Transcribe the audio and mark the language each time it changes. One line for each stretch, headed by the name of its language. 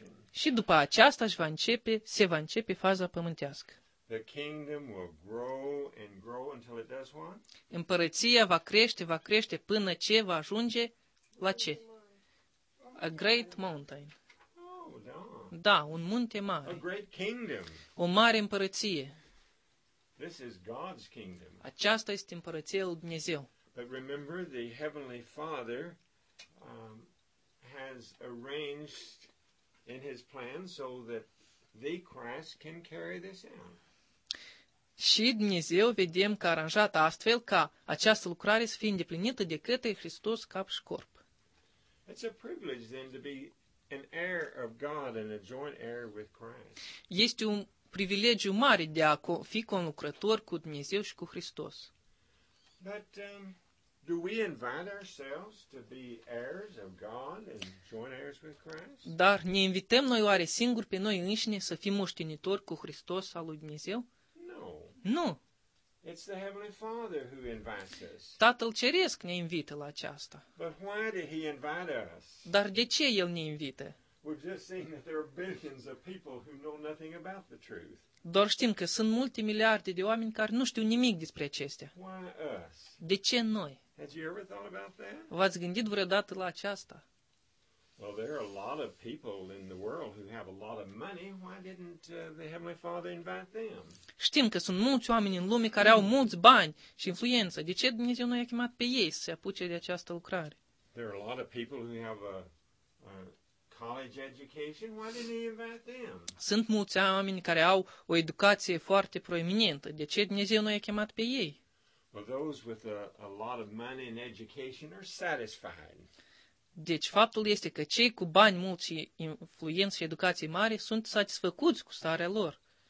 Romanian: Și după aceasta se va începe faza pământească.
English: The kingdom will grow and grow until it does what?
Romanian: Împărăția va crește, va crește până ce va ajunge la ce?
English: A great mountain.
Romanian: Da, un munte mare.
English: A great kingdom.
Romanian: O mare împărăție.
English: This is God's kingdom.
Romanian: Aceasta este împărăția lui Dumnezeu.
English: But remember, the Heavenly Father has arranged in his plan so that the Christ can carry this out.
Romanian: Și Dumnezeu vedem că a aranjat astfel ca această lucrare să fie îndeplinită de către Hristos cap și corp.
English: It's a privilege then to be an heir of God and a joint heir with Christ.
Romanian: Este un privilegiu mare de a fi conlucrător cu Dumnezeu și cu Hristos.
English: But do we invite ourselves to be heirs of God and joint heirs with Christ?
Romanian: Dar ne invităm noi oare singuri pe noi înșine să fim moștenitori cu Hristos al lui Dumnezeu?
English: No.
Romanian: Nu.
English: It's the Heavenly Father who invites us.
Romanian: Tatăl Ceresc ne invită la aceasta.
English: But why did he invite us?
Romanian: Dar de ce El ne invită?
English: We've just seen that there are billions of people who know nothing about the truth.
Romanian: Doar știm că sunt multe miliarde de oameni care nu știu nimic despre acestea.
English: Why us?
Romanian: De ce noi?
English: Had you ever thought about that?
Romanian: V-ați gândit vreodată la aceasta?
English: Well, there are a lot of people in the world who have a lot of money. Why didn't the Heavenly Father invite them?
Romanian: Știm că sunt mulți oameni în lume care au mulți bani și influență. De ce Dumnezeu nu i-a chemat pe ei să se apuce de această lucrare?
English: There are a lot of people who have a college education. Why didn't he invite them?
Romanian: Sunt mulți oameni care au o educație foarte proeminentă. De ce Dumnezeu nu i-a chemat pe ei?
English: Well, those with a lot of money and education are satisfied.
Romanian: Deci faptul este că cei cu bani mulți și influență și educație mare sunt satisfăcuți cu starea lor.